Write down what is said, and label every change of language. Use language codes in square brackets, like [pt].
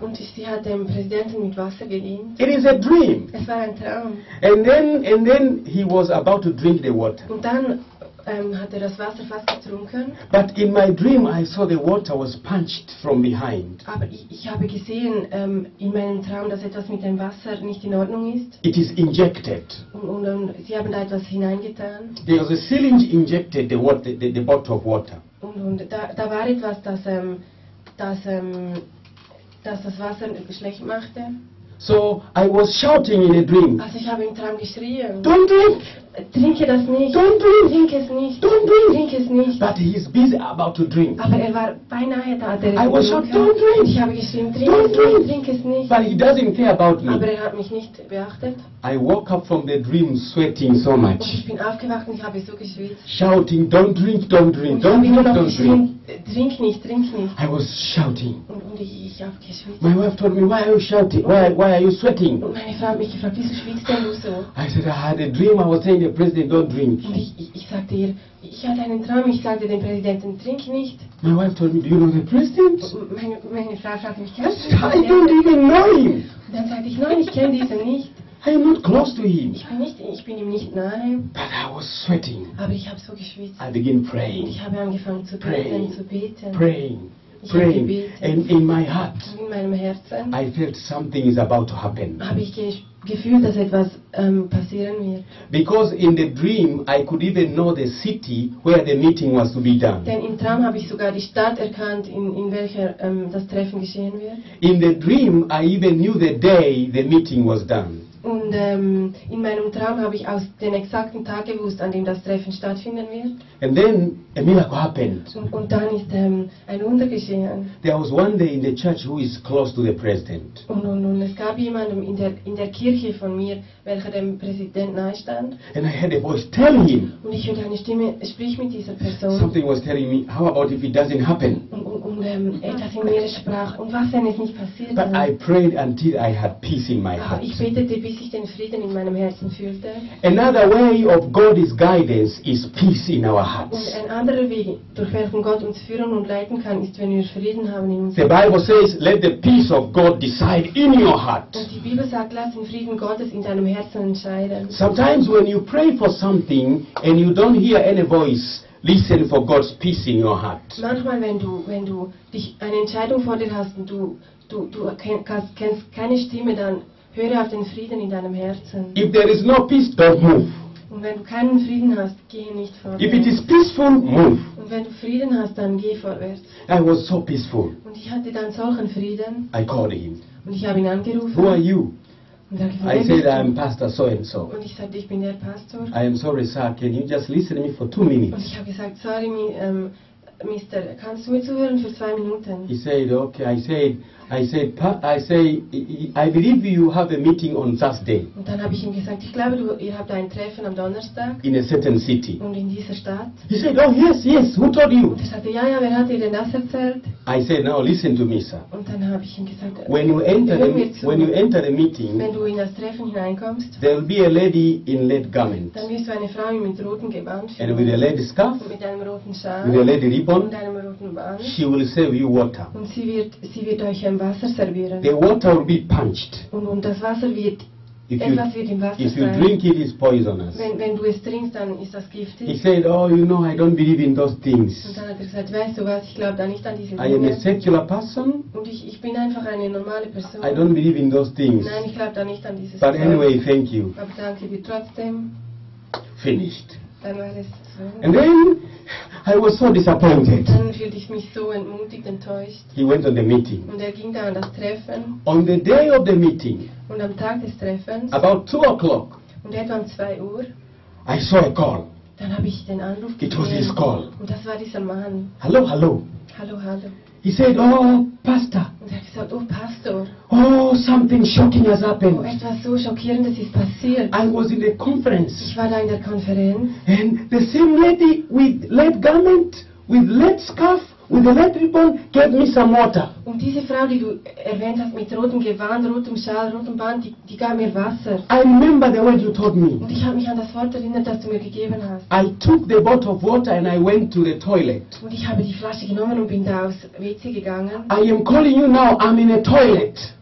[de] Und sie hat dem Präsidenten mit Wasser gedient. [en] It is a dream. [de] Es war ein Traum. [en] And then he was about to drink the water. [de] Und dann hat er das Wasser fast getrunken. [en] But in my dream I saw the water was punched from behind. [de] Aber ich habe gesehen in meinem Traum, dass etwas mit dem Wasser nicht in Ordnung ist. [en] It is injected. [de] Und sie haben da etwas hineingetan. [en] There was a syringe injected the bottle of water. [de] Und da war etwas, das das Wasser schlecht machte. [en] So I was shouting in a dream. [de] Also ich habe im Traum geschrien. [en] Don't drink. [de] Trinke das nicht. [en] Don't drink. [de] Trink es nicht. [en] Don't drink. [de] Trink es nicht. [en] But he is busy about to drink. [de] Aber er war beinahe da. Der [en] I was shouting. Don't drink. [de] Ich habe geschrien. Trink es nicht. [en] But he doesn't care about me. [de] Aber er hat mich nicht beachtet. [en] I woke up from the dream sweating so much. [de] Und ich bin aufgewacht und ich habe so geschwitzt. [en] Shouting. Don't drink. Don't drink. don't [de] ich [en] drink. [de] Habe [en] don't drink. [de] Trink nicht, trink nicht. [en] I was shouting. [de] Und ich habe geschwitzt. [en] My wife told me, why are you shouting? Why are you sweating? [de] Und meine Frau hat mich gefragt, wieso schwitzt du so? [en] I said, I had a dream, I was saying to the president, don't drink. [de] Und ich sagte ihr, ich hatte einen Traum, ich sagte dem Präsidenten, trink nicht. [en] My wife told me, do you know the president? [de] Meine Frau fragte mich, [en] I don't even know him. [de] Und dann sagte ich, nein, ich kenne diesen nicht. [en] I am not close to him. [de] Ich bin ihm nicht nahe. [en] But I was sweating. [de] Aber ich habe so geschwitzt. [en] I begin praying. [de] Und ich habe angefangen zu beten, [en] Praying. And in my heart. [de] Und in meinem Herzen. [en] I felt something is about to happen. [de] Habe ich gefühlt, dass etwas passieren wird. [en] Because in the dream I could even know the city where the meeting was to be done. [de] Denn im Traum habe ich sogar die Stadt erkannt, in welcher das Treffen geschehen wird. [en] In the dream I even knew the day the meeting was done. [de] Und in meinem Traum habe ich aus den exakten Tag gewusst, an dem das Treffen stattfinden wird. [en] And then a miracle happened. [de] Und dann ist ein Wunder geschehen. [en] There was one day in the church who is close to the president. [de] Und es gab jemanden in der Kirche von mir, welcher dem Präsident nahe stand. [en] And I heard a voice tell him. [de] Und ich hörte eine Stimme, sprich mit dieser Person. [en] Something was telling me, how about if it doesn't happen? [de] Und etwas in mir sprach, und was, wenn es nicht passiert? [en] But I prayed until I had peace in my heart. [de] Ich betete, bis ich den Frieden in meinem Herzen fühlte. [en] Another way of God's guidance is peace in our hearts. [de] Und ein anderer Weg, durch welchen Gott uns führen und leiten kann, ist, wenn wir Frieden haben in uns. [en] The Bible says, let the peace of God decide in your heart. [de] Und die Bibel sagt, lass den Frieden Gottes in deinem Herzen entscheiden. [en] Sometimes when you pray for something and you don't hear any voice, listen for God's peace in your heart. [de] Manchmal, wenn du dich eine Entscheidung vor dir hast und du kennst keine Stimme, dann höre auf den Frieden in deinem Herzen. [en] If there is no peace, don't move. [de] Und wenn du keinen Frieden hast, gehe nicht vorwärts. [en] If it is peaceful, move. [de] Und wenn du Frieden hast, dann geh vorwärts. [en] I was so peaceful. [de] Und ich hatte dann solchen Frieden. [en] I called him. [de] Und ich habe ihn angerufen. [en] Who are you? [de] Und er gefragt, [en] I said, I'm Pastor so and so. [de] Und ich sagte, ich bin der Pastor. [en] I am sorry, sir. Can you just listen to me for 2 minutes? [de] Und ich habe gesagt, sorry, Mister, kannst du mir zuhören für 2 Minuten? [en] He said, okay. I believe you have a meeting on Thursday. [de] Und dann habe ich ihm gesagt, ich glaube, ihr habt ein Treffen am Donnerstag. [en] In a certain city. [de] Und in dieser Stadt. [en] He said, oh yes, yes. Who told you? [de] Und er sagte, ja, wer hat dir denn das erzählt? [en] I said, now listen to me, sir. [de] Und dann habe ich ihm gesagt, [en] when you enter the meeting, [de] wenn du in das Treffen hineinkommst, [en] there will be a lady in red garment. [de] Dann wirst du eine Frau mit rotem Gewand finden. [en] And with a red scarf. [de] Mit einem roten Schal. [en] With a red ribbon. [de] Und einem roten Band. [en] She will serve you water. [de] Und sie wird euch Wasser servieren. [en] The water will be punched. [de] Und das Wasser wird, [en] if you drink it, it's poisonous. [de] Wenn du es trinkst, dann ist das giftig. [en] He said, oh, you know, I don't believe in those things. [de] Und dann hat er gesagt, weißt du was, ich glaube da nicht an diese Dinge. [en] I am a secular person. [de] Und ich bin einfach eine normale Person. [en] I don't believe in those things. [de] Nein, ich glaube da nicht an diese Dinge. [en] But anyway, thank you. [de] Aber danke dir trotzdem. [en] Finished. [de] Dann war es so. [en] And then I was so disappointed. [de] Dann fühlte ich mich so entmutigt, enttäuscht. [en] He went on the meeting. [de] Und er ging da an das Treffen. [en] On the day of the meeting. [de] Und am Tag des Treffens. [en] About 2 o'clock. [de] Und etwa um 2 Uhr. [en] I saw a call. [de] Dann habe ich den Anruf gesehen. [en] It was his call. [de] Und das war dieser Mann. Hallo, hallo. Hallo, hallo. [en] He said, oh, Pastor. [de] Und er hat gesagt, oh, Pastor. [en] Oh, something shocking has happened. [de] Oh, etwas so Schockierendes ist passiert. [en] I was in a conference. [de] Ich war da in der Konferenz. [en] And the same lady with red garment, with red scarf, with a red ribbon, gave me some water. [de] Und diese Frau, die du erwähnt hast, mit rotem Gewand, rotem Schal, rotem Band, die gab mir Wasser. [en] I remember the word you told me. [de] Und ich habe mich an das Wort erinnert, das du mir gegeben hast. [en] I took the bottle of water and I went to the toilet. [de] Und ich habe die Flasche genommen und bin da aufs WC gegangen. [en] I am calling you now, I'm in a toilet.